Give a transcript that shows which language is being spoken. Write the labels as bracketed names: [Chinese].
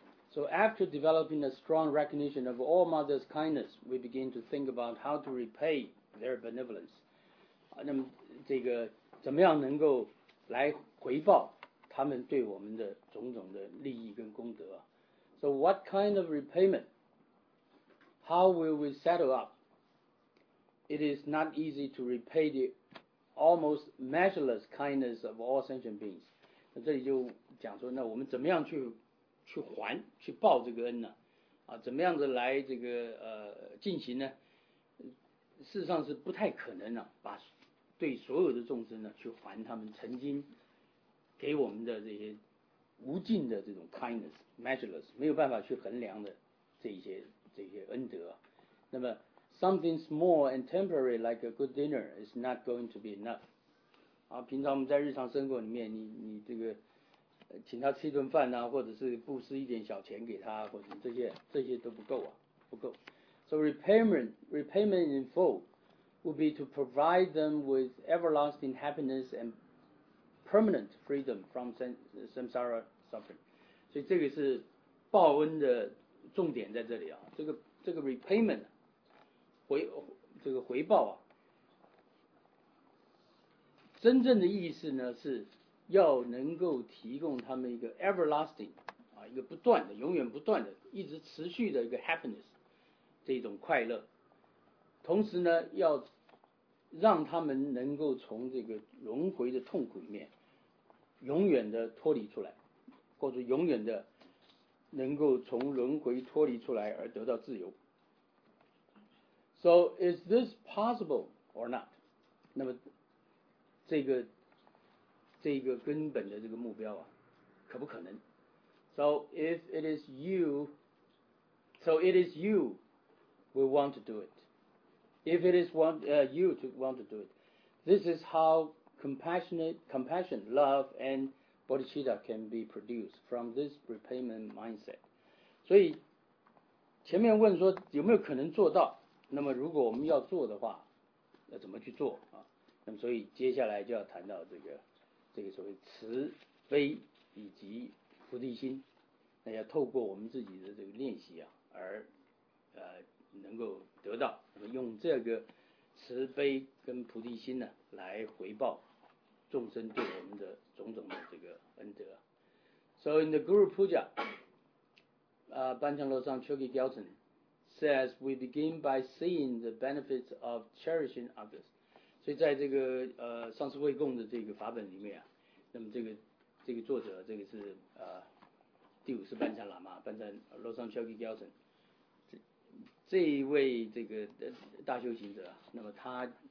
[English] So after developing a strong recognition of all mothers' kindness, we begin to think about how to repay their benevolence。 [Chinese] 啊，那么这个怎么样能够来回报他们对我们的种种的利益跟功德、啊？ [English] So what kind of repayment? How will we settle up? It is not easy to repay the almost measureless kindness of all sentient beings. [Chinese] 那这里就讲说，那我们怎么样去还，去报这个恩呢？啊，怎么样子来这个进行呢？事实上是不太可能呢、啊，把对所有的众生呢去还他们曾经给我们的这些无尽的这种 [English] kindness, measureless, [Chinese] 没有办法去衡量的这些恩德。那么 [English] something small and temporary like a good dinner is not going to be enough. [Chinese] 啊，平常我们在日常生活里面，你这个请他吃一顿饭啊，或者是布施一点小钱给他，或者这些都不够啊，不够。 [English] So repayment in full would be to provide them with everlasting happiness andpermanent freedom from samsara suffering. [Chinese] 所以这个是报恩的重点在这里啊。这个 repayment, 回报啊，真正的意思呢是要能够提供他们一个 everlasting, 啊，一个不断的，永远不断的，一直持续的一个 happiness, 这种快乐。同时呢要让他们能够从这个轮回的痛苦里面永远的脱离出来，或者永远的能够从轮回脱离出来而得到自由。 [English] So is this possible or not? [Chinese] 那么这个根本的这个目标啊，可不可能？ [English] So if it is you, so it is you we want to do it. If it is you to want to do it, this is howcompassion, love, and bodhicitta can be produced from this repayment mindset. [Chinese] 所以前面问说有没有可能做到，那么如果我们要做的话要怎么去做、啊、那么所以接下来就要谈到这个所谓慈悲以及菩提心，那要透过我们自己的这个练习啊，而能够得到，那么用这个慈悲跟菩提心呢来回报众生对我们的种种的这个恩德。 [English] So in the Guru Puja, Banchan Losang Chogi Gyaltsen says we begin by seeing the benefits of cherishing others. [Chinese] 所以在这个上师会供的这个法本里面啊，那么这个作者，这个是第五世班禅喇嘛班禅罗桑乔吉高僧，这一位这个大修行者，那么他